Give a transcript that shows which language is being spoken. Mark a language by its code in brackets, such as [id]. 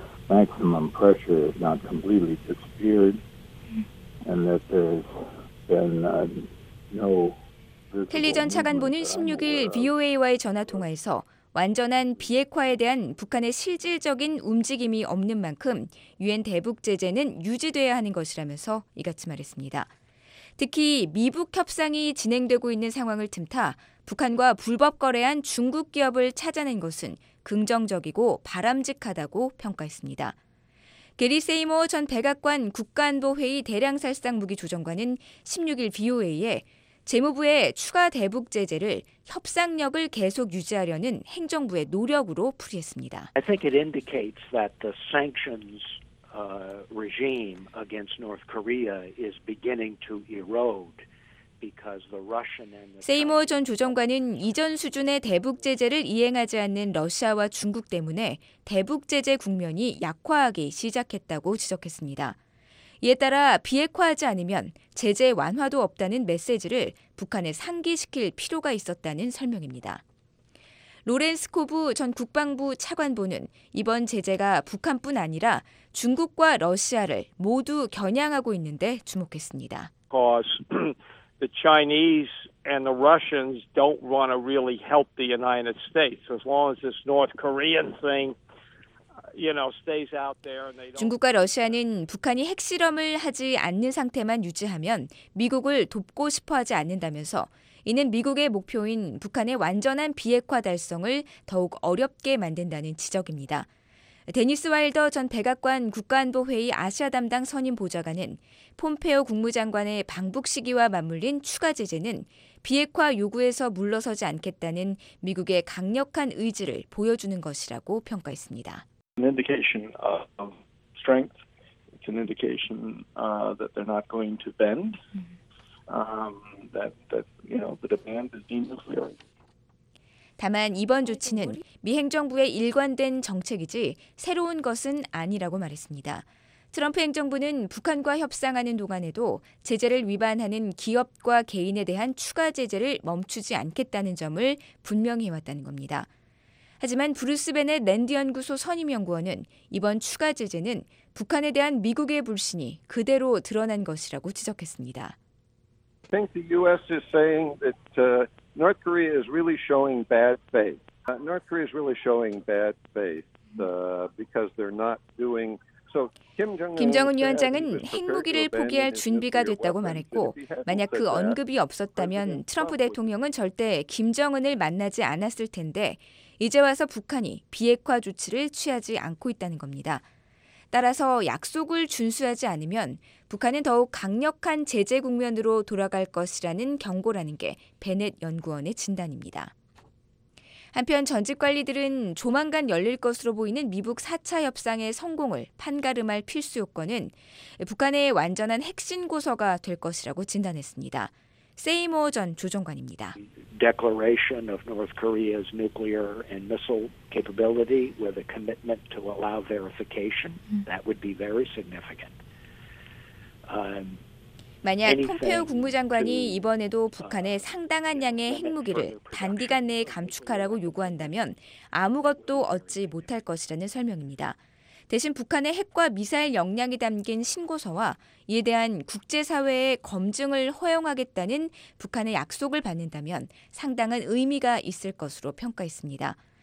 [en] Maximum pressure has not completely disappeared, and that there's been no. [ko] 켈리 전 차관보는 16일 VOA와의 전화 통화에서 완전한 비핵화에 대한 북한의 실질적인 움직임이 없는 만큼 유엔 대북 제재는 유지돼야 하는 것이라면서 이같이 말했습니다. 특히 미북 협상이 진행되고 있는 상황을 틈타 북한과 불법 거래한 중국 기업을 찾아낸 것은 긍정적이고 바람직하다고 평가했습니다. 게리 세이머 전 백악관 국가안보회의 대량살상무기조정관은 16일 VOA에 재무부의 추가 대북 제재를 협상력을 계속 유지하려는 행정부의 노력으로 풀이했습니다. [en] I think it indicates that the sanctions regime against North Korea is beginning to erode. [ko] 세이머 전 조정관은 이전 수준의 대북 제재를 이행하지 않는 러시아와 중국 때문에 대북 제재 국면이 약화하기 시작했다고 지적했습니다. 이에 따라 비핵화하지 않으면 제재 완화도 없다는 메시지를 북한에 상기시킬 필요가 있었다는 설명입니다. 로렌스 코브 전 국방부 차관보는 이번 제재가 북한뿐 아니라 중국과 러시아를 모두 겨냥하고 있는데 주목했습니다. [en] The Chinese and the Russians don't want to really help the United States as long as this North Korean thing, you know, stays out there. And they don't... [ko] 중국과 러시아는 북한이 핵실험을 하지 않는 상태만 유지하면 미국을 돕고 싶어하지 않는다면서 이는 미국의 목표인 북한의 완전한 비핵화 달성을 더욱 어렵게 만든다는 지적입니다. 데니스 와일더 전 백악관 국가안보회의 아시아 담당 선임 보좌관은 폼페오 국무장관의 방북 시기와 맞물린 추가 제재는 비핵화 요구에서 물러서지 않겠다는 미국의 강력한 의지를 보여주는 것이라고 평가했습니다. [en] An indication of strength. It's an indication that they're not going to bend. That you know the demand is denuclear. [ko] 다만 이번 조치는 미 행정부의 일관된 정책이지 새로운 것은 아니라고 말했습니다. 트럼프 행정부는 북한과 협상하는 동안에도 제재를 위반하는 기업과 개인에 대한 추가 제재를 멈추지 않겠다는 점을 분명히 해왔다는 겁니다. 하지만 브루스 베넷 랜드연구소 선임연구원은 이번 추가 제재는 북한에 대한 미국의 불신이 그대로 드러난 것이라고 지적했습니다. [en] I think the U.S. is saying that... North Korea is really showing bad faith. North Korea is really showing bad faith because they're not doing so. [ko] 김정은 위원장은 핵무기를 포기할 준비가 됐다고 말했고, 만약 그 언급이 없었다면 트럼프 대통령은 절대 김정은을 만나지 않았을 텐데 이제 와서 북한이 비핵화 조치를 취하지 않고 있다는 겁니다. 따라서 약속을 준수하지 않으면 북한은 더욱 강력한 제재 국면으로 돌아갈 것이라는 경고라는 게 베넷 연구원의 진단입니다. 한편 전직 관리들은 조만간 열릴 것으로 보이는 미북 4차 협상의 성공을 판가름할 필수 요건은 북한의 완전한 핵심 고서가 될 것이라고 진단했습니다. 세이머 전 조정관입니다. [en] Declaration of North Korea's nuclear and missile capability with a commitment to allow verification. That would be very significant. [ko] 만약 폼페오 국무장관이 이번에도 북한에 상당한 양의 핵무기를 단기간 내에 감축하라고 요구한다면 아무것도 얻지 못할 것이라는 설명입니다. 대신 북한의 핵과 미사일 역량이 담긴 신고서와 이에 대한 국제사회의 검증을 허용하겠다는 북한의 약속을 받는다면 상당한 의미가 있을 것으로 평가했습니다.